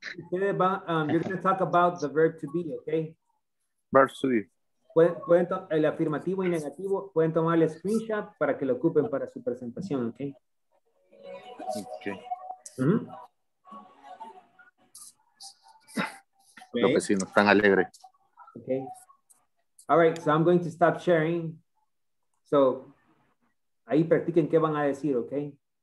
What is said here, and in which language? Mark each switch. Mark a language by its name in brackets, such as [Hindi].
[English] You're gonna talk about the verb to be, okay? Verb to be. [Spanish] Pueden el afirmativo y negativo, pueden tomar el screenshot para que lo ocupen para su presentación, okay? [English] Okay. Mm-hmm. [Spanish] Okay. Los vecinos están alegres. [English] Okay. All right, so I'm going to stop sharing. [Spanish] So ahí practiquen qué van a decir, okay?